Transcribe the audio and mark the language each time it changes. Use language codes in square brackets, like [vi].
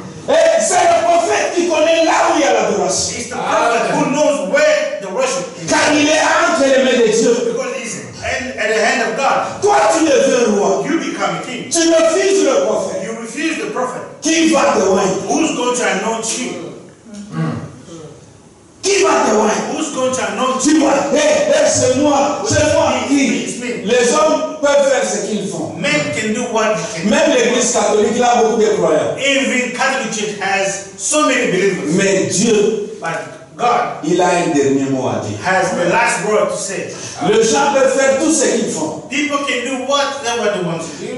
[fr] Et c'est le prophète qui connaît là où il y a l'adoration. [en] It's the prophet who knows where the worship is. [fr] Car il est entre les mains de Dieu. [en] Because he's at the hand of God. [fr] Toi tu deviens roi. [en] You become a king. [fr] Tu refuses le prophète. [en] You refuse the prophet. [fr] Qui va te oindre? [en] Who's going to anoint you? [fr] Qui va te voir? [en] Who's going to anoint? [fr] Tu vois? Hey, c'est moi. Les hommes peuvent faire ce qu'ils font. [en] Men can do what they can. [fr] Même l'Église catholique a beaucoup de croyants. [en] Even Catholic Church has so many believers. [fr] Mais Dieu, [en] but God, [fr] il a un dernier mot à dire. [en] Has the last word to say. [fr] Les gens peuvent faire tout ce qu'ils font. [en] People can do whatever they want to do.